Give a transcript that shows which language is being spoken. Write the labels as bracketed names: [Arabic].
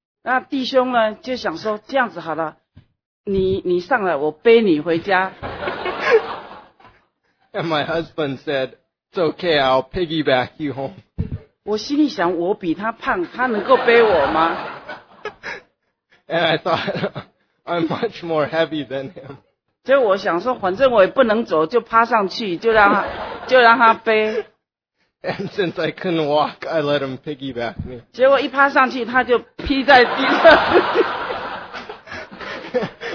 [Chinese] 那弟兄呢就想说这样子好了，你上来，我背你回家。 [English] And my husband said, "It's okay, I'll piggyback you home." [Chinese] 我心里想，我比他胖，他能够背我吗 [English] ？And I thought, I'm much more heavy than him. [Chinese] 所以我想说，反正我也不能走，就趴上去，就让他背。 [English] And since I couldn't walk, I let him piggyback me. [Chinese] 结果一趴上去，他就劈在地上。